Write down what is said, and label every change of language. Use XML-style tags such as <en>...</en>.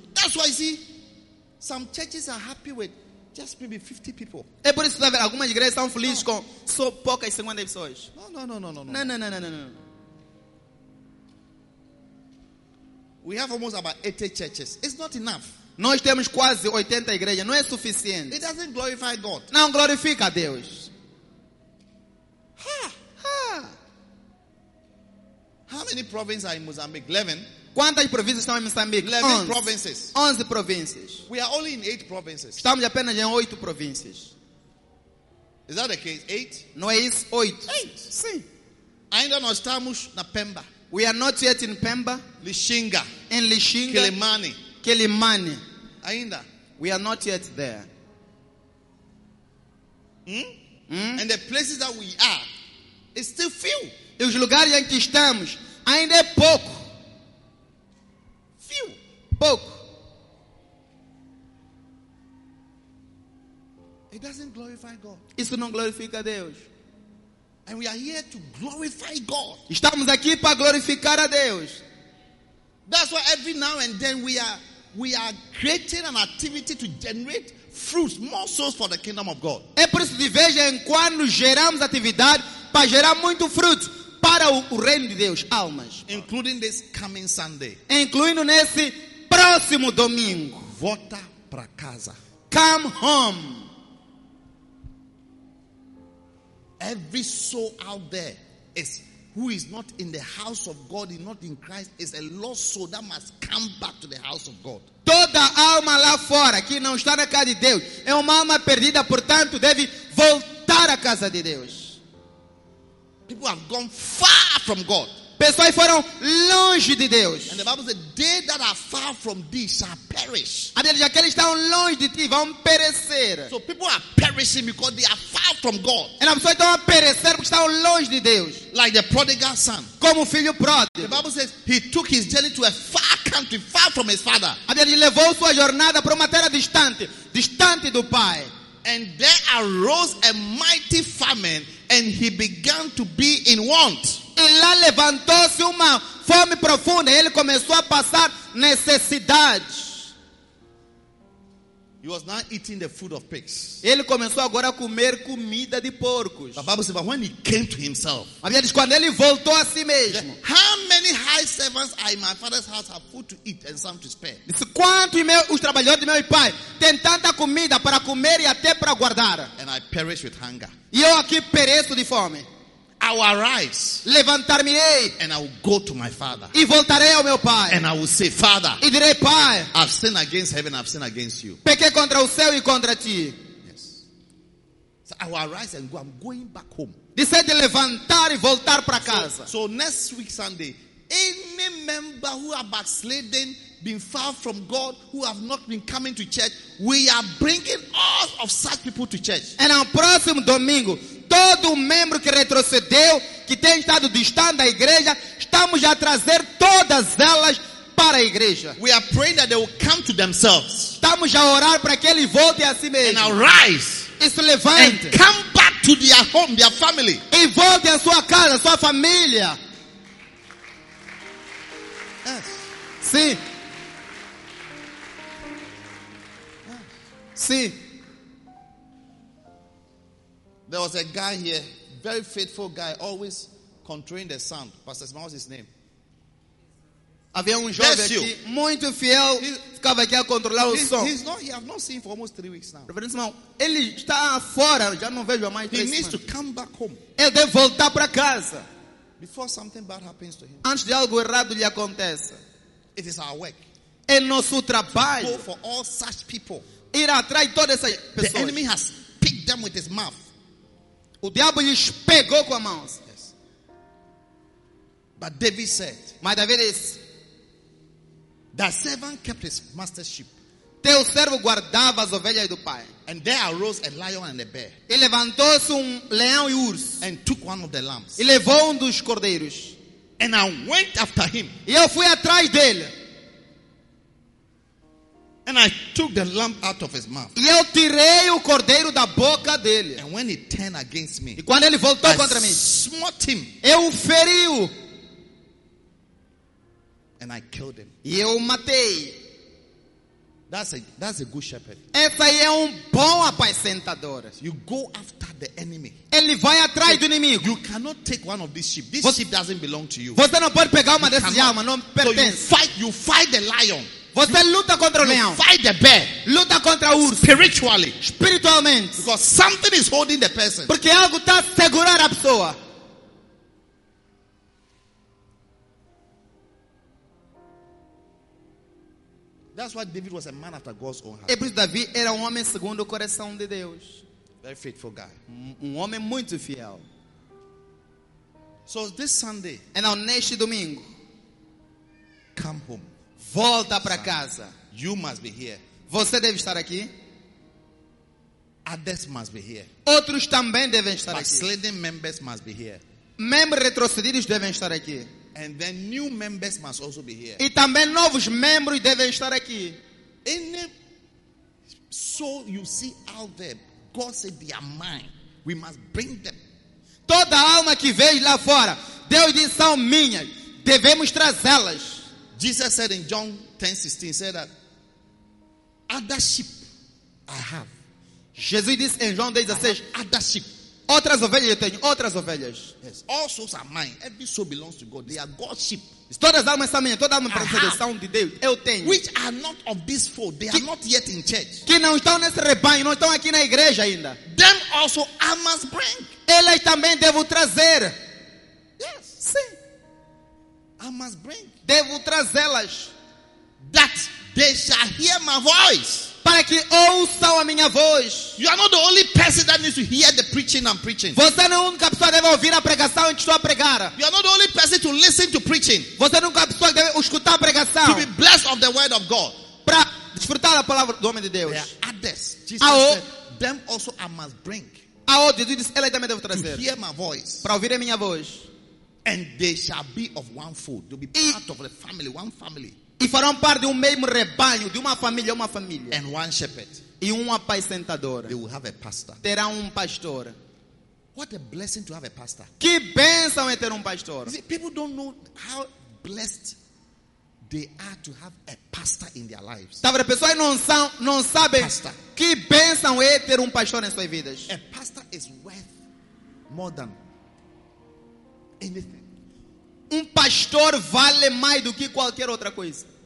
<en>That's why you see, some churches are happy with just maybe 50 people.</en> <pt>É por isso que vai ver algumas igrejas estão felizes com só poucas 50 pessoas.</pt> <en>No. We have almost about 80 churches. It's not enough.</en> <pt>Nós temos quase 80 igrejas. Não é suficiente.</pt> <en>It doesn't glorify God.</en> <pt>Não glorifica a Deus.</pt> <en>How many provinces are in Mozambique? 11.</en> <pt>Quantas províncias estão em Moçambique?</pt> <en>11 provinces.</en> <pt>11 províncias.</pt> <en>We are only in 8 provinces.</en> <pt>Estamos apenas em 8 províncias.</pt> <en>Is that the case? 8?</en> <pt>Não é isso? 8.</pt> <en>8.</en> <pt>Sim. Ainda não estamos na Pemba.</pt> <en>We are not yet in Pemba.</en> <pt>Lixinga.</pt> <en>In Lixinga. Kilimani. Kilimani.</en> <pt>Ainda.</pt> <en>We are not yet there. And the places that we are, it's still few.</en> <pt>E os lugares em que estamos, ainda é pouco.</pt> <en>Few.</en> <pt>Pouco.</pt> <en>It doesn't glorify God.</en> <pt>Isso não glorifica Deus.</pt> <en>And we are here to glorify God.</en> <pt>Estamos aqui para glorificar a Deus.</pt> <en>That's why every now and then we are creating an activity to generate fruits, more souls for the kingdom of God.</en> <pt>É por isso que de vez em quando geramos atividade para gerar muito fruto para o reino de Deus, almas.</pt> <en>Including this coming Sunday.</en> <pt>Incluindo nesse próximo domingo. Volta para casa.</pt> <en>Come home. Every soul out there is who is not in the house of God, is not in Christ, is a lost soul that must come back to the house of God.</en> <pt>Toda alma lá fora que não está na casa de Deus é uma alma perdida, portanto deve voltar à casa de Deus.</pt> <en>People have gone far from God.</en> <pt>Pessoas foram longe de Deus.</pt> <en>And the Bible says, they that are far from thee shall perish.</en> <pt>A Bíblia diz, aqueles que estão longe de ti vão perecer.</pt> <en>So people are perishing because they are far from God.</en> <pt>E as pessoas estão a perecer porque estão longe de Deus.</pt> <en>Like the prodigal son.</en> <pt>Como o filho pródigo.</pt> <en>The Bible says, he took his journey to a far country, far from his father.</en> <pt>A Bíblia diz, levou sua jornada para uma terra distante, distante do pai.</pt> <en>And there arose a mighty famine, and he began to be in want.</en> <pt>E lá levantou-se uma fome profunda e ele começou a passar necessidade.</pt> <en>He was now eating the food of pigs.</en> <pt>Ele começou agora a comer comida de porcos.</pt> <en>The Bible says, but when he came to himself.</en> <pt>A Bíblia diz, quando ele voltou a si mesmo.</pt> <en>How many high servants are in my father's house have food to eat and some to spare?</en> <pt>Disse, quanto os trabalhadores do meu pai têm tanta comida para comer e até para guardar?</pt> <en>And I perish with hunger.</en> <pt>E eu aqui pereço de fome.</pt> <en>I will arise.</en> <pt>Levantar-me-ei.</pt> <en>And I will go to my father.</en> <pt>E voltarei ao meu pai.</pt> <en>And I will say, Father.</en> <pt>E direi, Pai.</pt> <en>I've sinned against heaven, I've sinned against you.</en> <pt>Pequei contra o céu e contra ti.</pt> <en>Yes. So I will arise and go. I'm going back home.</en> <pt>Disse de levantar e voltar para casa.</pt> <en>So next week Sunday, any member who are backslidden, been far from God, who have not been coming to church, we are bringing all of such people to church.</en> <pt>E no próximo domingo, todo membro que retrocedeu, que tem estado distante da igreja, estamos a trazer todas elas para a igreja.</pt> <en>We are praying that they will come to themselves.</en> <pt>Estamos a orar para que ele volte a si mesmo.</pt> <en>And arise.</en> <pt>E se levante.</pt> <en>And come back to their home, their family.</en> <pt>E volte à sua casa, à sua família.</pt> <en>Yes.</en> <pt>Sim. Sim.</pt> <en>There was a guy here, very faithful guy, always controlling the sound. Pastor Simon, what's his name?</en> <pt>Havia jovem aqui, muito fiel, ficava aqui a controlar o som.</pt> <en>He's not here, I've not seen him for almost 3 weeks now.</en> <pt>Reverendo Simon, ele está fora, já não vejo há mais 3 semanas.</pt> <en>He needs to come back home.</en> <pt>Ele deve voltar para casa.</pt> <en>Before something bad happens to him.</en> <pt>Antes de algo errado lhe aconteça.</pt> <en>It is our work.</en> <pt>É nosso trabalho.</pt> <en>To go for all such people.</en> <pt>Ir atrás de todas essas pessoas.</pt> <en>The enemy has picked them with his mouth.</en> <pt>O diabo lhes pegou com a mão.</pt> <en>Yes. But David said, my David is, the servant kept his master's sheep.</en> <pt>Teu servo guardava as ovelhas do pai.</pt> <en>And there arose a lion and a bear.</en> <pt>E levantou-se um leão e urso.</pt> <en>And took one of the lambs.</en> <pt>E levou um dos cordeiros.</pt> <en>And I went after him.</en> <pt>E eu fui atrás dele.</pt> <en>And I took the lamb out of his mouth.</en> <pt>E eu tirei o cordeiro da boca dele.</pt> <en>And when he turned against me,</en> <pt>e quando ele voltou</pt> <en>I</en> <pt>contra mim,</pt> <en>smote him.</en> <pt>Eu o feri.</pt> <en>and I killed him.</en> <pt>E eu matei.</pt> <en>That's a good shepherd.</en> <pt>Esse aí é bom apacentador.</pt> <en>You go after the enemy.</en> <pt>Ele vai atrás do inimigo.</pt> <en>You cannot take one of these sheep. This sheep doesn't belong to you.</en> <pt>Você não pode pegar uma dessas almas, não pertence.</pt> <en>So you fight the lion.</en> <pt>Você luta contra o leão.</pt> <en>You fight the bear.</en> <pt>Luta contra o urso.</pt> <en>Spiritually.</en> <pt>Espiritualmente.</pt> <en>Because something is holding the person.</en> <pt>Porque algo está segurando a pessoa.</pt> <en>That's why David was a man after God's own heart.</en> <pt>E por isso Davi era homem segundo o coração de Deus.</pt> <en>Very faithful guy.</en> <pt>Homem muito fiel.</pt> <en>So this Sunday. And now</en> <pt>neste domingo.</pt> <en>Come home.</en> <pt>Volta para casa.</pt> <en>You must be here.</en> <pt>Você deve estar aqui.</pt> <en>Others must be here.</en> <pt>Outros também devem estar</pt> <en>but</en> <pt>aqui.</pt> <en>Slain members must be here.</en> <pt>Membros retrocedidos devem estar aqui.</pt> <en>And then new members must also be here.</en> <pt>E também novos membros devem estar aqui.</pt> <en>In the soul you see out there, God said they are mine. We must bring them.</en> <pt>Toda alma que vem lá fora, Deus disse são minhas. Devemos trazê-las.</pt> <en>Jesus said in John 10:16, said that other sheep I have.</en> <pt>Jesus disse em João 10:16,</pt> <en>other sheep.</en> <pt>Outras ovelhas eu tenho, outras ovelhas.</pt> <en>Yes, all souls are mine. Every soul belongs to God. They are God's sheep.</en> <pt>Todas as almas são minhas, toda alma pertence ao Senhor de Deus. Eu tenho.</pt> <en>Which are not of this fold. They are not yet in church.</en> <pt>Que não estão nesse rebanho, não estão aqui na igreja ainda.</pt> <en>Them also I must bring.</en> <pt>Elas também devo trazer.</pt> <en>Yes.</en> <pt>Sim.</pt> <en>I must bring.</en> <pt>Devo trazê-las.</pt> <en>That they shall hear my voice.</en> <pt>Para que ouçam a minha voz.</pt> <en>You are not the only person that needs to hear the preaching I'm preaching.</en> <pt>Você não é a única pessoa que deve ouvir a pregação que estou a pregar.</pt> <en>You are not the only person to listen to preaching.</en> <pt>Você não é a única pessoa que deve escutar a pregação.</pt> <en>To be blessed of the word of God.</en> <pt>Para desfrutar da palavra do homem de Deus.</pt> <en>Others, Jesus said, them also I must bring.</en> <pt>A outro, Jesus disse, ela também devo trazer.</pt> <en>To hear my voice.</en> <pt>Para ouvir a minha voz.</pt> <en>And they shall be of one fold. They'll be part of the family, one family.</en> <pt>E farão parte de mesmo rebanho, de uma família.</pt> <en>And one shepherd.</en> <pt>E apacentador.</pt> <en>They will have a pastor.</en> <pt>Terá pastor.</pt> <en>What a blessing to have a pastor.</en> <pt>Que bênção é ter pastor.</pt> <en>See, people don't know how blessed they are to have a pastor in their lives.</en> <pt>Tá, as pessoas não sabem que bênção é ter pastor em suas vidas.</pt> <en>A pastor is worth more than anything.</en> <pt>Pastor vale mais do que qualquer outra coisa.</pt>